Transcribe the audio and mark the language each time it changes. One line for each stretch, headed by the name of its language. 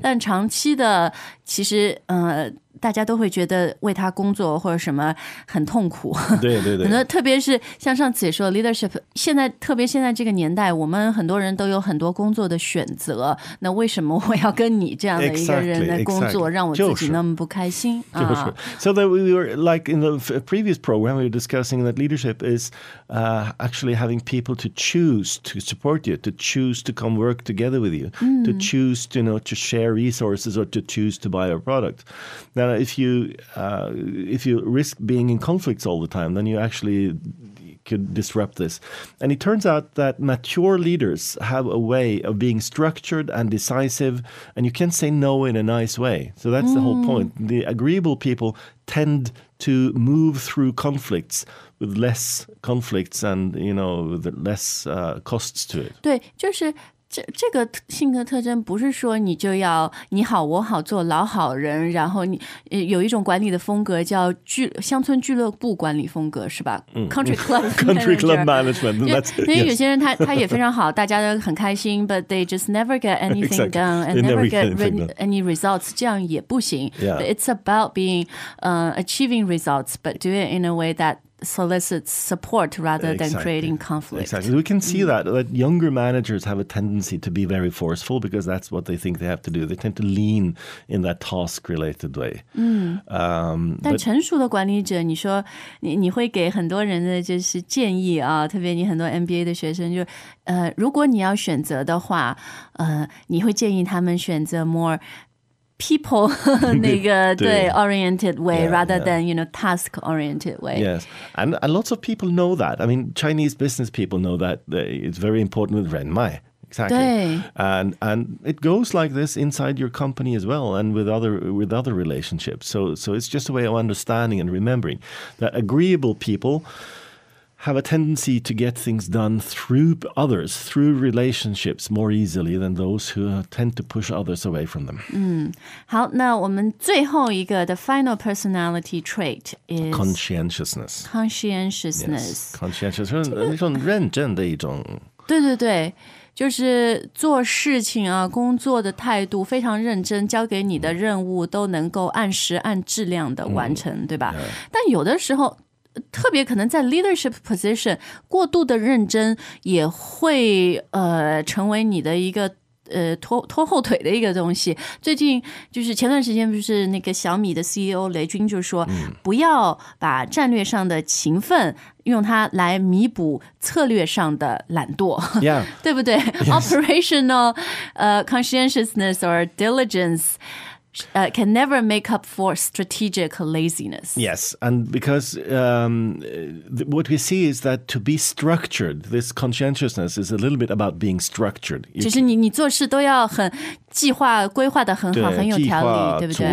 Chinese: 但长期的其实大家都会觉得为他工作或者什么很痛苦，对对对，那特别是像上次也说 leadership 现在特别现在这个年代我们很多人都有很多工作的选择，那为什么我要跟你这样的一个人来工作
English: exactly,
Chinese: 让我自己那么不开心、
English: So that we were like in the previous program we were discussing that leadership is actually having people to choose to support you, to choose to come work together with you、to choose to, you know, to share resources or to choose to buy a product. Now, if you risk being in conflicts all the time, then you actually could disrupt this. And it turns out that mature leaders have a way of being structured and decisive, and you can say no in a nice way. So that's the whole point. The agreeable people tend to move through conflicts with less conflicts and, you know, with less costs to it.
Chinese: 对，就是这个性格特征不是说你就要你好我好做老好人，然后你有一种管理的风格叫乡村俱乐部管理风格是吧、
English: Country club management.
Chinese: 因为有些人他也非常好，大家都很开心，
English: but they just never get anything exactly, done and never get any results.
Chinese: 这样也不行、
English: yeah. It's about being achieving results but do it in a way thatSolicits support rather than creating conflict. Exactly. We can see that younger managers have a tendency to be very forceful because that's what they think they have to do. They tend to lean in that task-related way.
Chinese: 但成熟的管理者，你说你会给很多人的就是建议啊，特别你很多 MBA 的学生，就如果你要选择的话，你会建议他们选择 more.
English: People
Chinese: 那个对
English: oriented way yeah, rather yeah. than you know task oriented way. Yes, and lots of people know that. I mean, Chinese business people know that it's very important with Ren Mai. Exactly. And it goes like this inside your company as well, and with other relationships. So it's just a way of understanding and remembering that agreeable people have a tendency to get things done through others, through relationships more easily than those who tend to push others away from them.
Chinese: 好，那我们最后一个
English: the final personality trait is conscientiousness. Conscientiousness. Yes.
Chinese: Conscientiousness, 那种认真的一种。对对对，就是做事情啊，工作的态度非常认真，交给你的任务都能够按时按质量的完成，对吧？但有的时候。特别可能在 leadership position 过度的认真也会成为你的一个拖后腿的一个东西。最近就是前段时间不是那个小米的 CEO 雷军就说，不要把战略上的勤奋用它来弥补策略上的懒惰、
English: yeah.
Chinese: 对不对、
English: yes. Operational conscientiousness or diligence can never make up for strategic laziness. Yes, and because what we see is that to be structured, this conscientiousness is a little bit about being structured.
Chinese: 就是你做事都要很计划规划的很好很有条理对不对